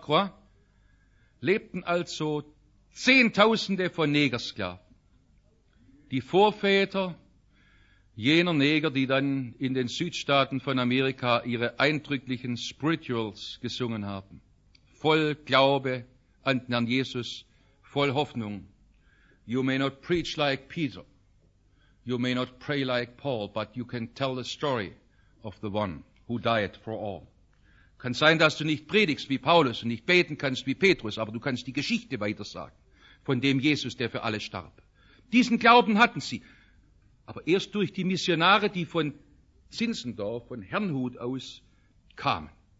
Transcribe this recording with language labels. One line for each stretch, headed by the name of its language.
German: Croix lebten also Zehntausende von Negersklaven, die Vorväter jener Neger, die dann in den Südstaaten von Amerika ihre eindrücklichen Spirituals gesungen haben. Voll Glaube an den Herrn Jesus, voll Hoffnung.
English: You may not preach like Peter, you may not pray like Paul, but you can tell the story of the one who died for all.
German: Kann sein, dass du nicht predigst wie Paulus und nicht beten kannst wie Petrus, aber du kannst die Geschichte weitersagen von dem Jesus, der für alle starb. Diesen Glauben hatten sie. Aber erst durch die Missionare, die von Zinzendorf, von Herrnhut aus kamen.